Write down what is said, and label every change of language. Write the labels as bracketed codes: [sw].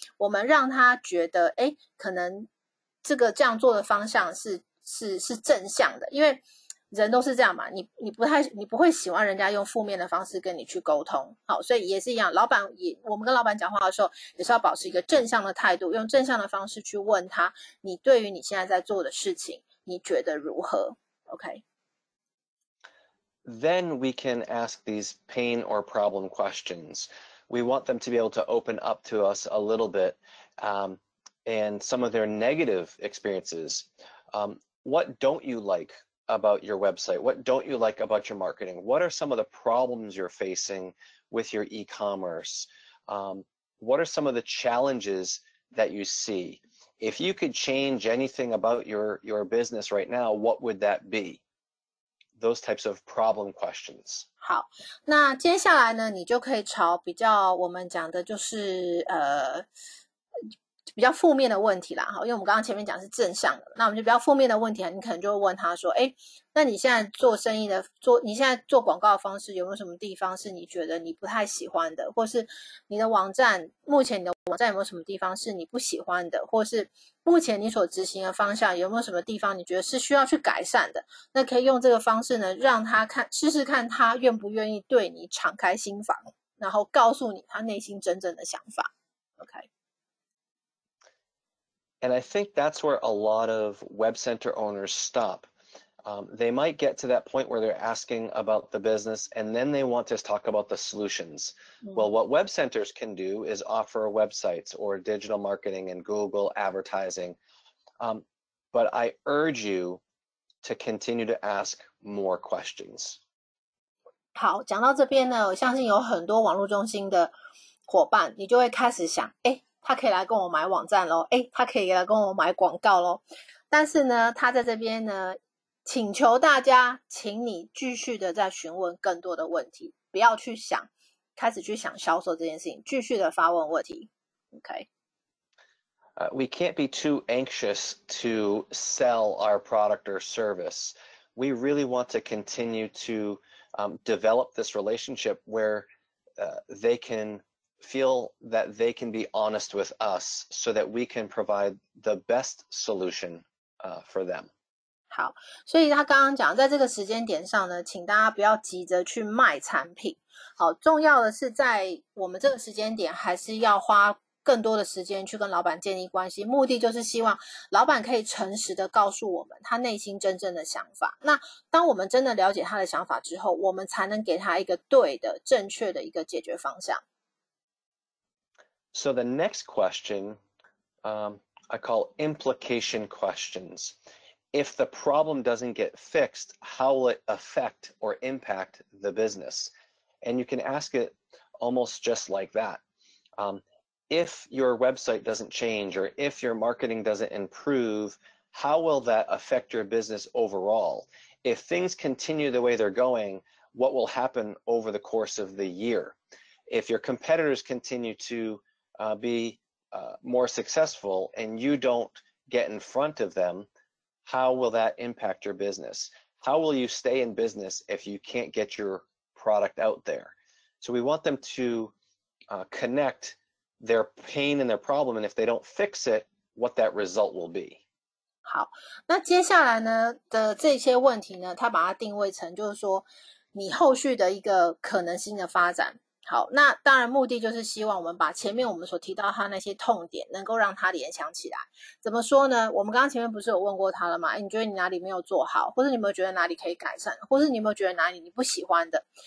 [zh] 我们让他觉得，诶，可能这个这样做的方向是正向的，因为人都是这样嘛，你不会喜欢人家用负面的方式跟你去沟通，好，所以也是一样，老板也，我们跟老板讲话的时候也是要保持一个正向的态度，用正向的方式去问他，你对于你现在在做的事情你觉得如何。 [en] OK, then we can ask these pain or problem questions. We want them to be able to open up to us a little bit, and some of their negative experiences. What don't you likeabout your website? What don't you like about your marketing? What are some of the problems you're facing with your e-commerce? What are some of the challenges that you see? If you could change anything about your business right now, what would that be? Those types of problem questions. [zh] 好，那接下来呢，你就可以朝比较我们讲的就是比较负面的问题啦，因为我们刚刚前面讲是正向的，那我们就比较负面的问题，你可能就会问他说，诶，那你现在做生意的，做你现在做广告的方式有没有什么地方是你觉得你不太喜欢的，或是你的网站，目前你的网站有没有什么地方是你不喜欢的，或是目前你所执行的方向有没有什么地方你觉得是需要去改善的，那可以用这个方式呢，让他看，试试看他愿不愿意对你敞开心房，然后告诉你他内心真正的想法。 [en] OK, And I think that's where a lot of web center owners stop. They might get to that point where they're asking about the business and then they want to talk about the solutions. Mm-hmm. Well, what web centers can do is offer websites or digital marketing and Google advertising. But I urge you to continue to ask more questions. [zh] 好，讲到这边呢，我相信有很多网络中心的伙伴，你就会开始想，诶，他可以来跟我买网站咯，诶，他可以来跟我买广告咯。但是呢，他在这边呢，请求大家，请你继续的在询问更多的问题，不要去想，开始去想销售这件事情，继续的发问问题。 [en] OK. We can't be too anxious to sell our product or service. We really want to continue to develop this relationship where they canfeel that they can be honest with us so that we can provide the best solution for them. [zh] 好，所以他刚刚讲在这个时间点上呢，请大家不要急着去卖产品。好，重要的是在我们这个时间点还是要花更多的时间去跟老板建立关系，目的就是希望老板可以诚实的告诉我们他内心真正的想法。那当我们真的了解他的想法之后，我们才能给他一个对的、正确的一个解决方向。 [en] So the next question, I call implication questions. If the problem doesn't get fixed, how will it affect or impact the business? And you can ask it almost just like that. If your website doesn't change or if your marketing doesn't improve, how will that affect your business overall? If things continue the way they're going, what will happen over the course of the year? If your competitors continue to be more successful and you don't get in front of them, how will that impact your business? How will you stay in business if you can't get your product out there? So we want them to connect their pain and their problem, and if they don't fix it, what that result will be. [zh] 好，那接下来呢的这些问题呢，他把它定位成就是说你后续的一个可能性的发展。好，那当然目的就是希望我们把前面我们所提到他那些痛点能够让他联想起来。怎么说呢？我们刚刚前面不是有问过他了吗？你觉得你哪里没有做好，或是你有没有觉得哪里可以改善，或是你有没有觉得哪里你不喜欢的？